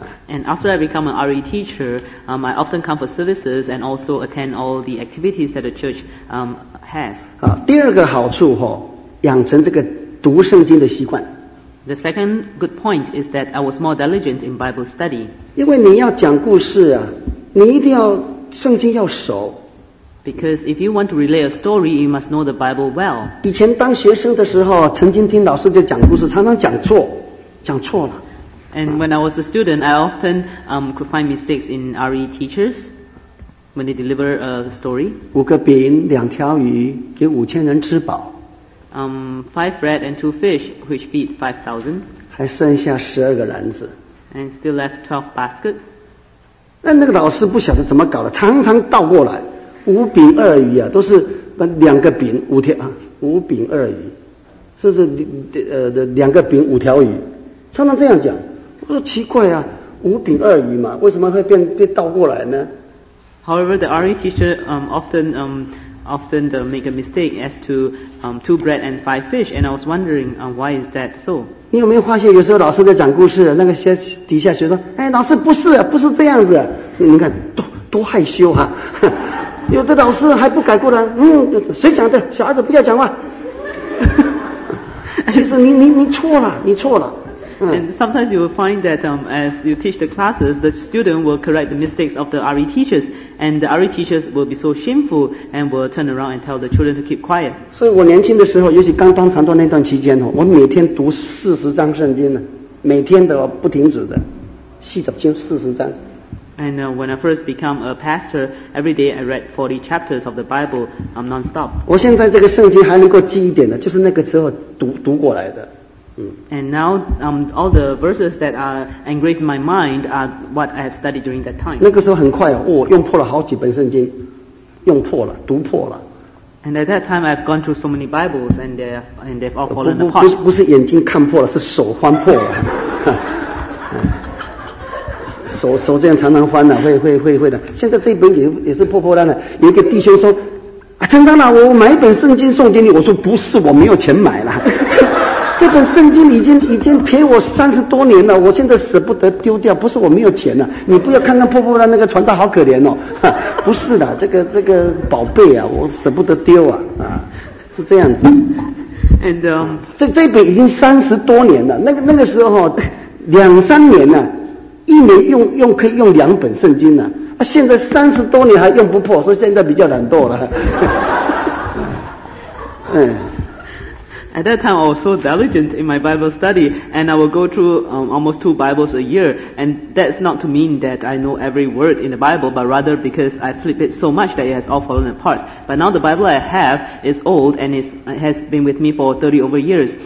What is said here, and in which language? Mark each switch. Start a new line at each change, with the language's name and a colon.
English: And after I become an RE teacher, I often come for services and also attend all the activities that the church has.
Chinese: 第二个好处，养成这个读圣经的习惯。
English: The second good point is that I was more diligent in Bible study.
Chinese: 因为你要讲故事。你一定要圣经要熟。
English: Because if you want to relay a story, you must know the Bible well.
Chinese: 以前当学生的时候，曾经听老师就讲故事，常常讲错，讲错了。
English: And when I was a student, I often could find mistakes in RE teachers when they deliver a story.
Chinese: 5个饼，2条鱼，给5000人吃饱。
English: five bread and two fish, which feed 5,000.
Chinese: 还剩下十二个篮子。
English: And still left 12 baskets.
Chinese: 那个老师不晓得怎么搞的，常常倒过来，五饼二鱼啊，都是两个饼五条啊，五饼二鱼，是不是两个饼五条鱼，常常这样讲。我说奇怪啊，五饼二鱼嘛，为什么会变倒过来呢？
English: However, the RE teacher often make a mistake as to two bread and five fish, and I was wondering why is that so?
Chinese: 你有没有发现有时候老师在讲故事，那个学底下学生，哎，老师不是，不是这样子，你看多害羞啊！有的老师还不改过来，谁讲的？小孩子不要讲话。其实你错了，你错了。
English: And sometimes you will find that as you teach the classes, the student will correct the mistakes of the RE teachers, and the RE teachers will be so shameful and will turn around and tell the children to keep quiet.
Chinese: 所以我年轻的时候，尤其刚当传道那段期间，我每天读四十章圣经呢，每天的不停止的，四十经四十章。
English: And when I first became a pastor, every day I read 40 chapters of the Bible non-stop.
Chinese: 我现在这个圣经还能够记一点的，就是那个时候读过来的。
English: And now all the verses that are engraved in my mind are what I have studied during that time.
Chinese: 那个时候很快哦，用破了好几本圣经，用破了，读破了。
English: And at that time I've gone through so many Bibles and they've all fallen apart.
Chinese: 不是眼睛看破了，是手翻破了。手这样常常翻了，会的。现在这本也是破破烂的。有一个弟兄说：“啊，真的吗？我买一本圣经送给你。” 我说：“不是，我没有钱买了。” 这本圣经已经陪我三十多年了，我现在舍不得丢掉，不是我没有钱了。你不要看看破破烂那个传道好可怜哦，不是的，这个宝贝啊，我舍不得丢啊，是这样子。
English: And
Chinese: 这本已经三十多年了，那个时候两三年了，一年用可以用两本圣经了，啊，现在三十多年还用不破，所以现在比较懒惰了。
English: At that time, I was so diligent in my Bible study, and I would go through almost two Bibles a year. And that's not to mean that I know every word in the Bible, but rather because I flip it so much that it has all fallen apart. But now the Bible I have is old, and it has been with me for 30 over years.